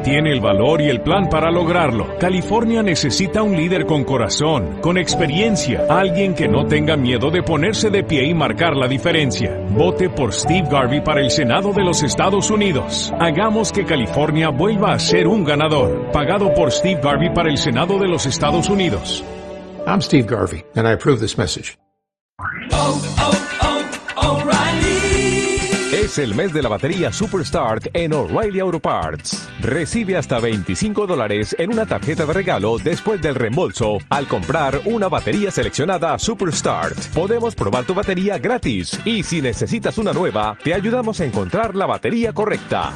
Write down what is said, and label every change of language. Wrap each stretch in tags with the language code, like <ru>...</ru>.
<es>Tiene el valor y el plan para lograrlo. California necesita un líder con corazón, con experiencia, alguien que no tenga miedo de ponerse de pie y marcar la diferencia. Vote por Steve Garvey para el Senado de los Estados Unidos. Hagamos que California vuelva a ser un ganador. Pagado por Steve Garvey para el Senado de los Estados Unidos.</es> <en>I'm Steve Garvey, and I approve this message. Oh, oh, oh, O'Reilly.</en> <es>Es el mes de la batería Superstar en O'Reilly Auto Parts. Recibe hasta $25 en una tarjeta de regalo después del reembolso al comprar una batería seleccionada Superstar. Podemos probar tu batería gratis, y si necesitas una nueva, te ayudamos a encontrar la batería correcta.</es>